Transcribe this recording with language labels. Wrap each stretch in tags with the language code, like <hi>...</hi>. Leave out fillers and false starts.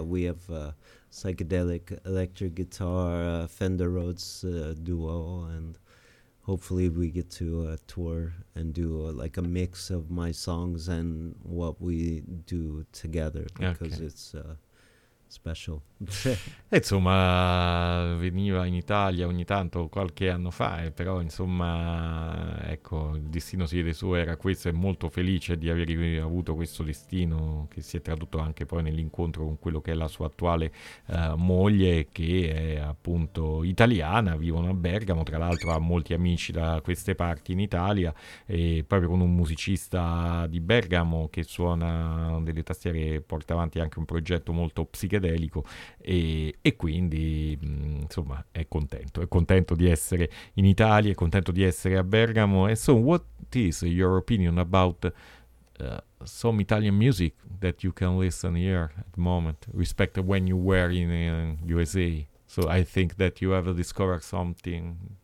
<en>We have a psychedelic electric guitar Fender Rhodes duo, and hopefully we get to tour and do like a mix of my songs and what we do together, because okay. It's special.</en> <it>E insomma, veniva in Italia ogni tanto qualche anno fa, però insomma, ecco, il destino si vede suo era questo, è molto felice di aver avuto questo destino che si è tradotto anche poi nell'incontro con quello che è la sua attuale moglie, che è appunto italiana, vivono a Bergamo, tra l'altro ha molti amici da queste parti in Italia, e proprio con un musicista di Bergamo che suona delle tastiere, porta avanti anche un progetto molto psichedelico. E quindi insomma è contento di essere in Italia, è contento di essere a Bergamo.</it> <en>And so what is your opinion about some Italian music that you can listen here at the moment, respect when you were in USA? So I think that you have discovered something</en>